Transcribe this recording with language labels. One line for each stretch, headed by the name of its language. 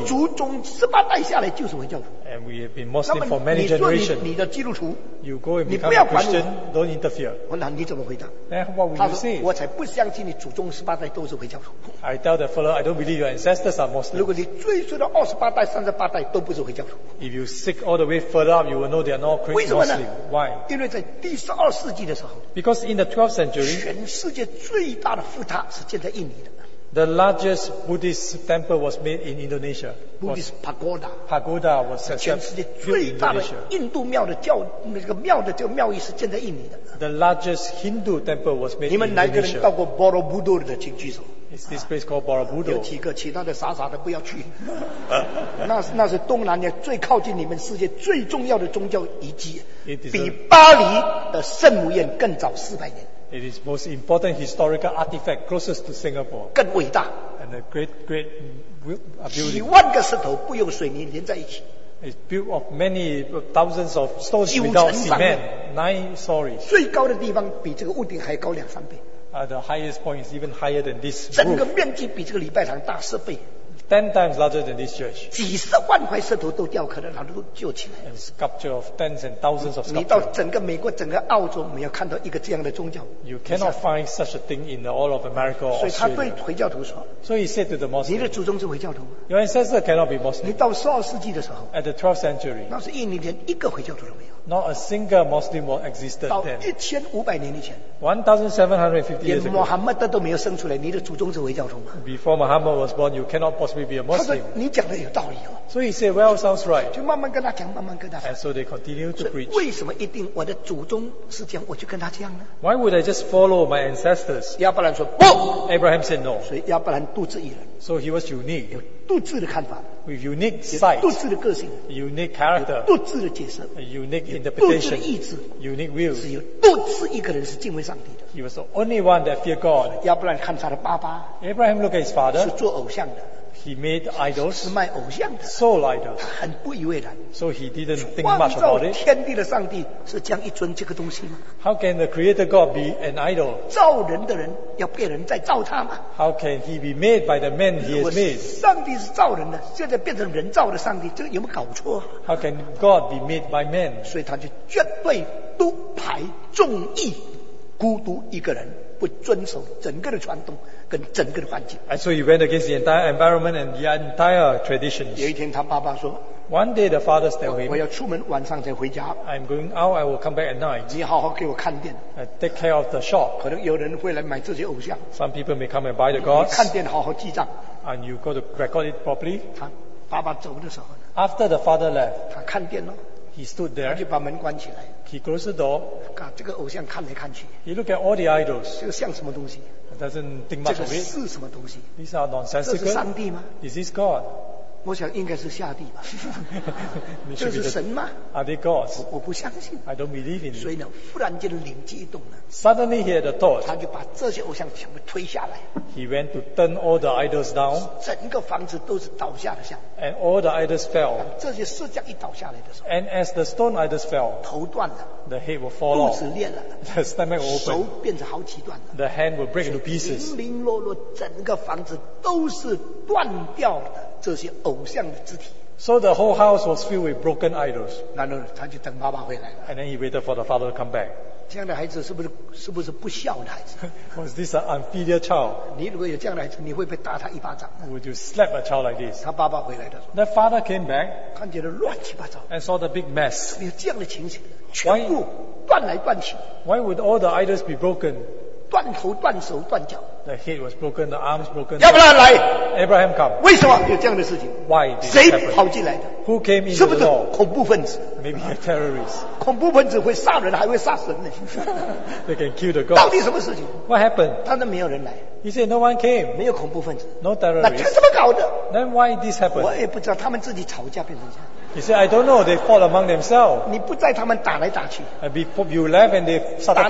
Chinese: 我祖宗十八代下来就是回教徒。
English: And we have been Muslim for many generations.
Chinese: 你的基督徒，
English: you go and become a Christian, don't interfere.
Chinese: 我那你怎么回答？
English: Then what would you say?
Chinese: 我才不相信你祖宗十八代都是回教徒。
English: I tell the fellow, I don't believe your ancestors are Muslim.
Chinese: 如果你追溯到二十八代、三十八代都不是回教徒。
English: If you seek all the way further up, you will know they are not Christian Muslim.
Chinese: 为什么呢？
English: Why?
Chinese: 因为在第十二世纪的时候，
English: because in the 12th century,
Chinese: 全世界最大的富塔是建在印尼的。
English: The largest Buddhist temple was made in Indonesia. Buddhist pagoda. Pagoda was set up.
Chinese: 全世界最大的印度庙的教那个庙的这个庙宇是建在印尼的。
English: The largest Hindu temple was made in Indonesia.
Chinese: 你们哪个人到过 Borobudur 的，请举手。
English: Is this place called Borobudur?
Chinese: 有几个，其他的傻傻的不要去。那是东南亚最靠近你们世界最重要的宗教遗迹，比巴黎的圣母院更早四百年。
English: It is most important historical artifact closest to Singapore.
Chinese: 更伟大。
English: And a great building.
Chinese: 几万个石头不用水泥连在一起。
English: It's built of many thousands of stones without cement. Nine stories.
Chinese: 最高的地方比这个屋顶还高两三倍。
English: The highest point is even higher than this roof.
Chinese: 整个面积比这个礼拜堂大十倍。
English: 10 times larger than this church.
Chinese: 几十万块石头都雕刻的，然后都救起来。
English: And sculpture of tens and thousands of sculptures.
Chinese: 你到整个美国、整个澳洲，没有看到一个这样的宗教。
English: You cannot find such a thing in all of America or Australia.
Chinese: 所以他对回教徒说。
English: So he said to the Muslim.
Chinese: 你的祖宗是回教徒。
English: Your ancestor cannot be Muslim.
Chinese: 你到十二世纪的时候。
English: At the 12th century.
Chinese: 那是印尼连一个回教徒都没有。
English: Not a single Muslim existed then.
Chinese: 到一千五百年以前。
English: 1750 years ago.
Chinese: 连穆罕默德都没有生出来，你的祖宗是回教徒吗
English: ？Before Muhammad was born, you cannot possibly.
Chinese: 他说你讲的有道理哦。
English: So he said, well, sounds right.
Chinese: 就慢慢跟他讲，慢慢跟他。
English: And so they continue to preach.
Chinese: 为什么一定我的祖宗是这样，我就跟他这样呢
English: ？Why would I just follow my ancestors?
Chinese: 亚伯兰说不。
English: Abraham said no.
Chinese: 所以亚伯兰独自一人。
English: So he was unique.
Chinese: 有独自的看法。
English: With unique sight.
Chinese: 独自的个性。
English: Unique character.
Chinese: 独自的解释。
English: A unique interpretation.
Chinese: 独自的意志。
English: Unique will.
Chinese: 只有独自一个人是敬畏上帝的。
English: He was the only one that feared God.
Chinese: 亚伯兰看他的爸爸。
English: Abraham looked at his father.
Chinese: 是做偶像的。
English: He made idols,
Chinese: 是卖偶像的
English: soul idol.
Chinese: 他很不以为然
English: so he didn't think much about it.
Chinese: 创造天地的上帝是这样一尊这个东西吗
English: How can the creator God be an idol?
Chinese: 造人的人要被人再造他吗
English: How can he be made by the man he has made?
Chinese: 上帝是造人的现在变成人造的上帝这个有没有搞错
English: How can God be made by man?
Chinese: 所以他就绝对独排众议孤独一个人不遵守整个的传统跟整个的环境。
English: And so he went against the entire environment and the entire traditions.
Chinese: 有一天他爸爸说
English: One day the father told him,
Chinese: 我要出门晚上才回家。
English: I'm going out, I will come back at night.
Chinese: 你好好给我看店。
English: Take care of the shop.
Chinese: 可能有人会来买这些偶像。
English: Some people may come and buy the gods.
Chinese: 你看店好好记账。
English: And you got to record it properly.
Chinese: 他爸爸走的时候呢
English: After the father left,
Chinese: 他看店咯。
English: He stood there.
Chinese: 他就把门关起来。
English: He closed the door.
Chinese: 啊，这个偶像看来看去。
English: He looked at all the idols.
Chinese: 这个像什么东西？
English: Doesn't think much of it.
Chinese: 这个是什么东西
English: ？These are nonsensical.
Chinese: 这是上帝吗
English: ？Is this God?
Chinese: 我想应该是下帝吧。这是神吗
English: ？Are they gods?
Chinese: 我不相信。
English: I don't believe in it.
Chinese: 所以呢，忽然间灵机一动了。
English: Suddenly he had a thought.
Chinese: 他就把这些偶像全部推下来。
English: He went to turn all the idols down.
Chinese: 整个房子都是倒下的像。
English: And all the idols fell.
Chinese: 这些石像一倒下来的时候。
English: And as the stone idols fell.
Chinese: 头断了。
English: The head will fall off.
Chinese: 肚子裂了。
English: The stomach will open.
Chinese: 手变成好几段了。
English: The hand will break into pieces.
Chinese: 零零落落，整个房子都是断掉的这些偶像的肢体。
English: So the whole house was filled with broken idols.
Chinese: 然后他就等爸爸回来了。
English: And then he waited for the father to come back.
Chinese: 这样的孩子是不是不孝的孩子
English: ？Was this an unfilial child?
Chinese: 你如果有这样的孩子，你会不会打他一巴掌
English: ？Would you slap a child like this?
Chinese: 他爸爸回来的时候
English: ，The father came back.
Chinese: 看见了乱七八糟。
English: And saw the big mess.
Chinese: 有这样的情形，全部断来断去。
English: Why would all the idols be broken?
Chinese: 断头断手断脚。
English: The head was broken, the arms broken.
Chinese: 亚伯拉来
English: ，Abraham come.
Chinese: 为什么有这样的事情
English: ？Why?
Chinese: 谁跑进来的
English: ？Who came in?
Chinese: 是不是恐怖分子
English: ？Maybe a terrorist.
Chinese: 恐怖分子会杀人，还会杀神呢。
English: They can kill the God.
Chinese: 到底什么事情
English: ？What happened?
Chinese: 他那没有人来。
English: He said no one came.
Chinese: 没有恐怖分子。
English: No terrorist.
Chinese: 那他怎么搞的
English: ？Then why this happened?
Chinese: 我也不知道，他们自己吵架变成这样。
English: He said, I don't know, they fought among themselves.
Chinese: 你不在他们打来打去。
English: Before you left and they started fighting.